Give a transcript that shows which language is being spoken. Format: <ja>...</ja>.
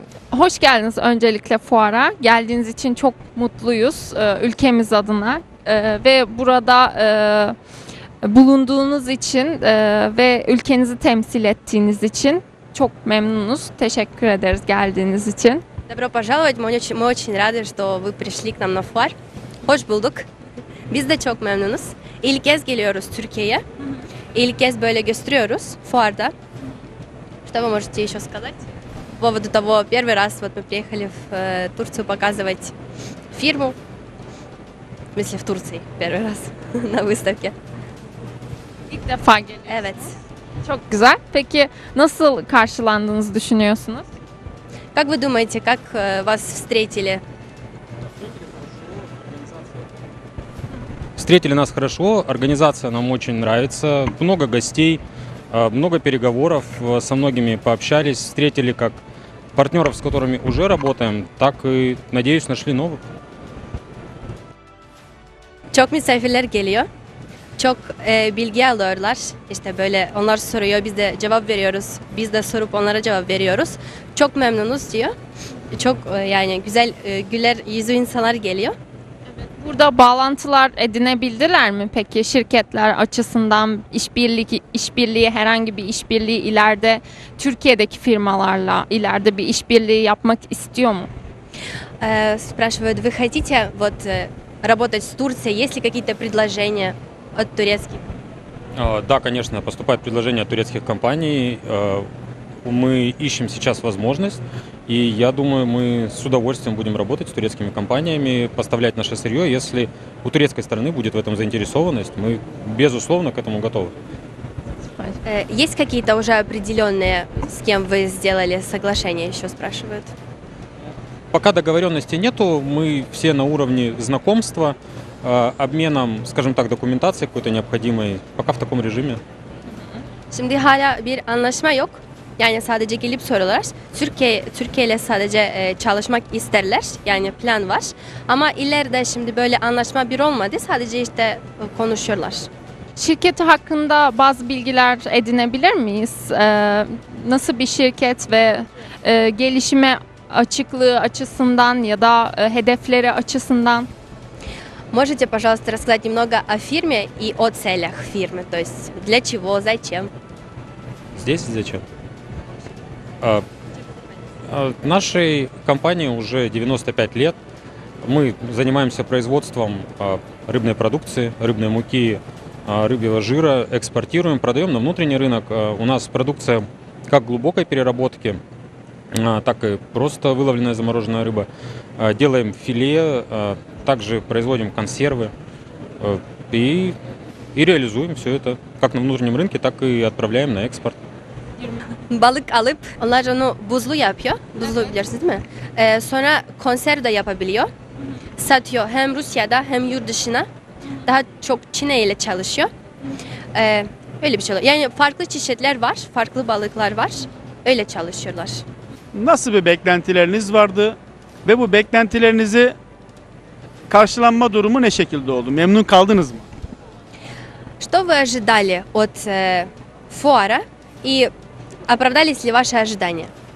<tr>Hoş geldiniz öncelikle fuara. Geldiğiniz için çok mutluyuz ülkemiz adına ve burada bulunduğunuz için ve ülkenizi temsil ettiğiniz için çok memnunuz. Teşekkür ederiz geldiğiniz için.</tr> <ru>Добро пожаловать. Мы очень рады, что вы пришли к нам на фуар.</ru> <tr>Hoş bulduk. Biz de çok memnunuz. İlk kez geliyoruz Türkiye'ye. İlk kez böyle gösteriyoruz fuarda.</tr> <ru>Что вы можете еще сказать? По поводу того, первый раз вот мы приехали в Турцию показывать фирму. В смысле, в Турции первый раз на выставке.</ru> <tr>İlk defa geliyorsunuz. Evet. Çok güzel. Peki nasıl karşılandığınızı düşünüyorsunuz?</tr> <ru>Как вы думаете, как вас встретили? Встретили нас хорошо, организация нам очень нравится, много гостей, много переговоров, со многими пообщались, встретили как партнеров, с которыми уже работаем, так и, надеюсь, нашли новых.</ru> <tr>Çok misafirler geliyor. Çok bilgi alıyorlar. İşte böyle onlar soruyor, biz de cevap veriyoruz. Biz de sorup onlara cevap veriyoruz. Çok memnunuz diyor. Çok yani güzel güler yüzlü insanlar geliyor. Burada bağlantılar edinebildiler mi peki şirketler açısından işbirliği herhangi bir işbirliği ileride Türkiye'deki firmalarla ileride bir işbirliği yapmak istiyor mu?</tr> <ru>Спрашивают, вы хотите вот работать с Турцией? Есть ли какие-то предложения от турецких? Да, конечно, поступает предложение от турецких компаний. Мы ищем сейчас возможность. И я думаю, мы с удовольствием будем работать с турецкими компаниями, поставлять наше сырье. Если у турецкой стороны будет в этом заинтересованность, мы, безусловно, к этому готовы. Есть какие-то уже определенные, с кем вы сделали соглашение, еще спрашивают? Пока договоренности нету, мы все на уровне знакомства, обменом, скажем так, документации какой-то необходимой, пока в таком режиме.</ru> <tr>Şimdi hala bir anlaşma yok. Yani sadece gelip soruyorlar. Türkiye ile sadece çalışmak isterler. Yani plan var. Ama ileride şimdi böyle anlaşma bir olmadı. Sadece işte konuşuyorlar. Şirketi hakkında bazı bilgiler edinebilir miyiz? Nasıl bir şirket ve gelişime açıklığı açısından ya da hedefleri açısından?</tr> <ru>Можете, пожалуйста, рассказать немного о фирме и о целях фирмы? То есть для чего, зачем? Здесь зачем? Нашей компании уже 95 лет. Мы занимаемся производством рыбной продукции, рыбной муки, рыбьего жира, экспортируем, продаем на внутренний рынок. У нас продукция как глубокой переработки, так и просто выловленная замороженная рыба. Делаем филе, также производим консервы, и реализуем все это как на внутреннем рынке, так и отправляем на экспорт.</ru> <tr>Balık alıp onlar onu buzlu yapıyor. Buzlu bilirsiniz değil mi? Sonra konserve de yapabiliyor. Satıyor hem Rusya'da hem yurt dışına. Daha çok Çin'e ile çalışıyor. Öyle bir şey oluyor. Yani farklı çeşitler var, farklı balıklar var. Öyle çalışıyorlar. Nasıl bir beklentileriniz vardı ve bu beklentilerinizi karşılanma durumu ne şekilde oldu? Memnun kaldınız mı?</tr> <ru>Что вы ожидали от fuara и оправдались ли ваши ожидания?</ru>